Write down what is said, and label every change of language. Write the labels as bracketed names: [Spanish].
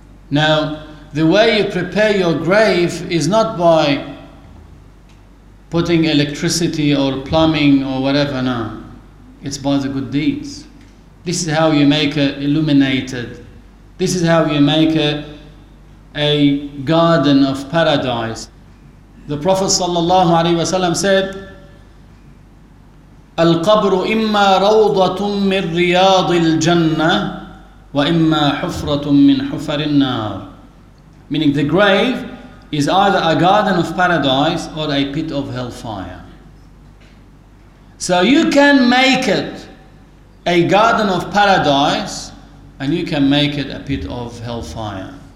[English] Now, the way you prepare your grave is not by putting electricity or plumbing or whatever, no. It's by the good deeds. This is how you make it illuminated. This is how you make it a garden of paradise. The Prophet sallallahu alaihi wasallam said, [Arabic] القبر إما روضة من رياض الجنة وإما حفرة من حفر النار. [English] Meaning the grave is either a garden of paradise or a pit of hellfire. So you can make it a garden of paradise and you can make it a pit of hellfire.